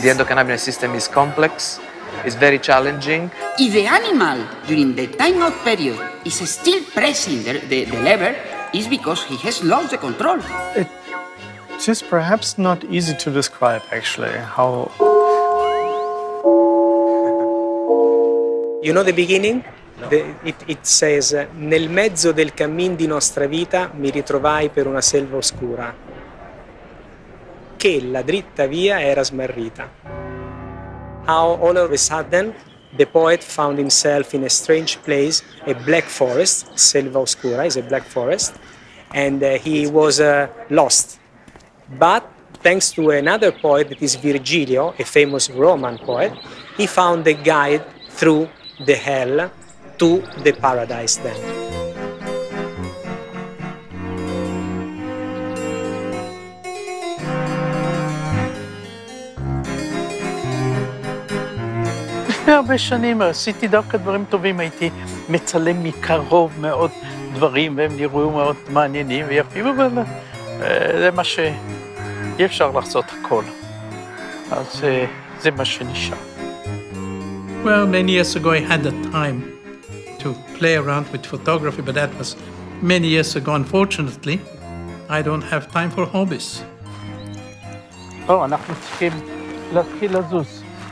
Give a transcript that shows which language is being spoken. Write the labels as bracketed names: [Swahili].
[English] The endocannabinoid system is complex. It's very challenging. If the animal during the time out period is still pressing the lever, it's because he has lost the control. It's just perhaps not easy to describe, actually, how... You know the beginning? No. It says, [Italian] nel mezzo del cammin di nostra vita mi ritrovai per una selva oscura, che la dritta via era smarrita. [English] How all of a sudden the poet found himself in a strange place, a black forest, selva oscura is a black forest, and he was lost. But thanks to another poet, that is Virgilio, a famous Roman poet, he found a guide through the hell to the paradise then. [Hebrew] לפני הרבה שנים עשיתי דווקא דברים טובים, הייתי מצלם מקרוב מאוד דברים והם נראו מאוד מעניינים ויפים, אבל זה מה ש... אי אפשר לחזות הכל. אז זה מה שנשאר. [English] Well, many years ago I had the time to play around with photography, but that was many years ago. Unfortunately, I don't have time for hobbies. [Hebrew] אנחנו צריכים להתחיל לזוז.